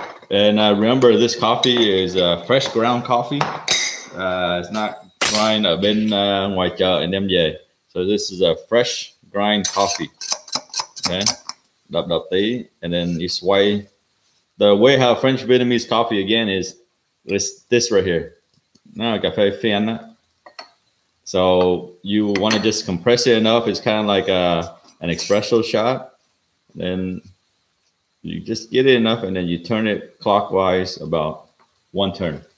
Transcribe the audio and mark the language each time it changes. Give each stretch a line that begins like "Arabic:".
English: And remember, this coffee is fresh ground coffee. It's not grind
Vietnamese: ở bên ngoài chợ anh em về.
English: So this is a fresh grind coffee. Okay,
Vietnamese: đập đập tí,
English: and then it's white. The way how French Vietnamese coffee again is this right here. Now cà phê phèn. So you want to just compress it enough. It's kind of like an espresso shot. Then you just get it enough, and then you turn it clockwise about one turn.